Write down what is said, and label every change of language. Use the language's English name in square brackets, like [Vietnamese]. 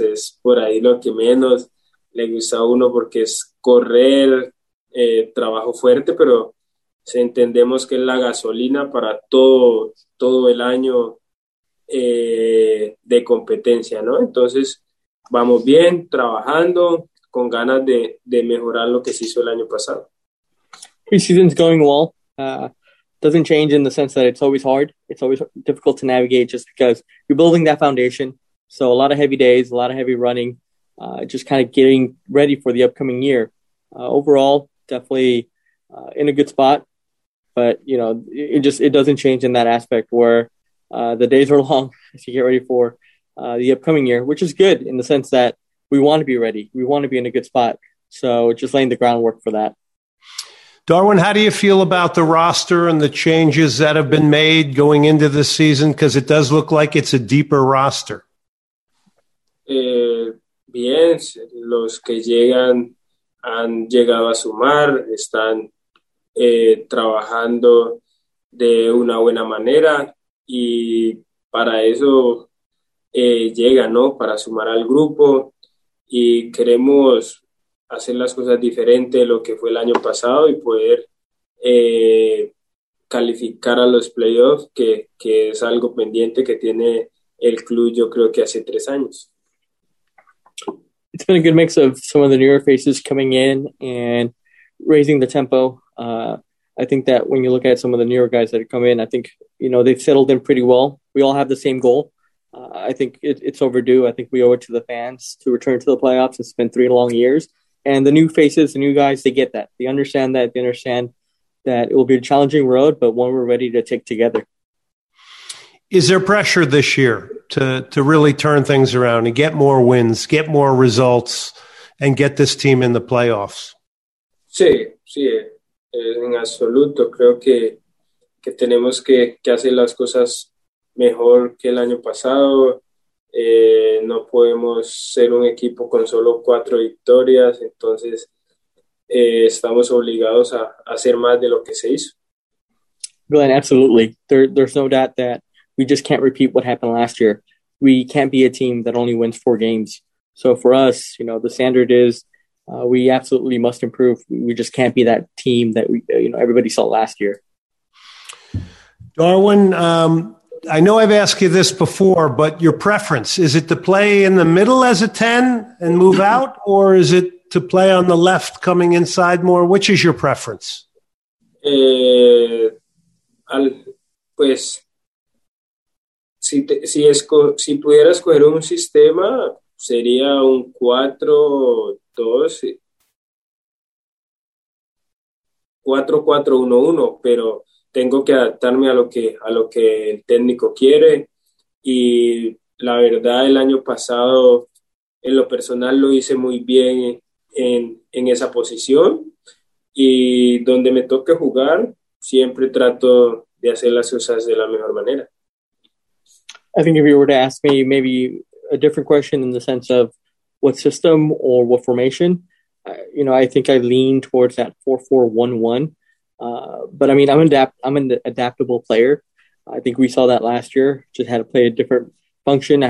[Spanish] Es por ahí lo que menos le gusta a uno, porque es correr, trabajo fuerte, pero entendemos que es la gasolina para todo el año de competencia, ¿no? Entonces vamos bien, trabajando, con ganas de mejorar lo que se hizo el año pasado. [English] Preseason's going well. Doesn't change in the sense that it's always hard. It's always difficult to navigate, just because you're building that foundation. So a lot of heavy days, a lot of heavy running, just kind of getting ready for the upcoming year. Overall, definitely in a good spot. But, you know, it doesn't change in that aspect, where the days are long as you get ready for the upcoming year, which is good in the sense that we want to be ready. We want to be in a good spot. So just laying the groundwork for that. Darwin, how do you feel about the roster and the changes that have been made going into this season? Because it does look like it's a deeper roster. [Spanish] Bien, los que llegan han llegado a sumar, están trabajando de una buena manera, y para eso llegan, ¿no? Para sumar al grupo, y queremos hacer las cosas diferente de lo que fue el año pasado y poder calificar a los playoffs, que es algo pendiente que tiene el club, yo creo que hace 3 años. [English] It's been a good mix of some of the newer faces coming in and raising the tempo. I think that when you look at some of the newer guys that have come in, I think, you know, they've settled in pretty well. We all have the same goal. I think it's overdue. I think we owe it to the fans to return to the playoffs. It's been 3 long years. And the new faces, the new guys, they get that. They understand that. They understand that it will be a challenging road, but one we're ready to take together. Is there pressure this year to really turn things around and get more wins, get more results, and get this team in the playoffs? [Spanish] Sí, sí, en absoluto. Creo que tenemos que hacer las cosas mejor que el año pasado. No podemos ser un equipo con solo 4 victorias, entonces estamos obligados a hacer más de lo que se hizo. [English] Glenn, absolutely. There's no doubt that we just can't repeat what happened last year. We can't be a team that only wins 4 games. So for us, you know, the standard is we absolutely must improve. We just can't be that team that we, you know, everybody saw last year. Darwin, I know I've asked you this before, but your preference, is it to play in the middle as a 10 and move out, or is it to play on the left coming inside more? Which is your preference? [Spanish] Pues, si pudiera escoger un sistema, sería un 4-2, 4-4-1-1, pero tengo que adaptarme a lo que el técnico quiere. Y la verdad, el año pasado, en lo personal, lo hice muy bien en esa posición. Y donde me toque jugar, siempre trato de hacer las cosas de la mejor manera. [English] I think if you were to ask me maybe a different question in the sense of what system or what formation, you know, I think I lean towards that 4-4-1-1. But I mean, I'm an adaptable player. I think we saw that last year, just had to play a different function.